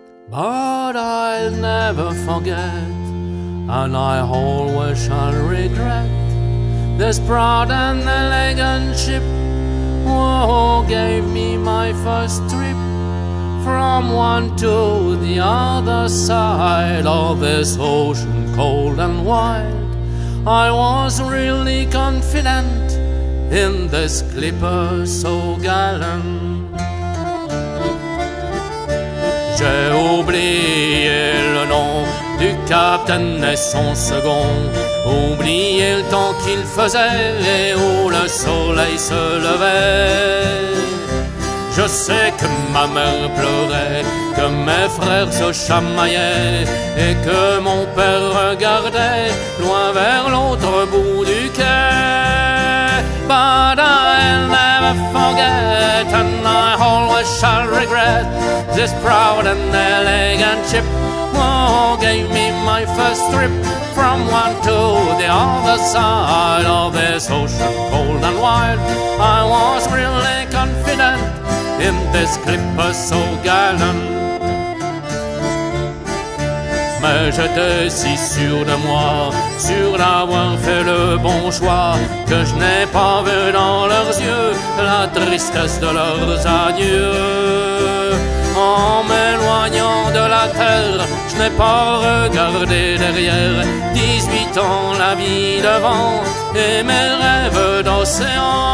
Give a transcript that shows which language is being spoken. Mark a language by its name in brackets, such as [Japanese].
[English] But I'll never forget, and I always shall regret, this proud and elegant ship, who gave me my first trip, from one to the other side of this ocean cold and wild. I was really confident in this clipper so gallant. [French] J'ai oublié le nom du capitaine et son second, oublié le temps qu'il faisait et où le soleil se levait. Je sais que ma mère pleurait, que mes frères se chamaillaient et que mon père regardait loin vers l'autre bout du quai. [English] But I'll never forget, and I always shall regret, this proud and elegant ship, who gave me my first trip, from one to the other side of this ocean cold and wild. I was really confident in this clipper so gallant. [French] Mais j'étais si sûr de moi, sûr d'avoir fait le bon choix, que je n'ai pas vu dans leurs yeux la tristesse de leurs adieux. En m'éloignant de la terre, je n'ai pas regardé derrière, 18 ans la vie devant et mes rêves d'océan.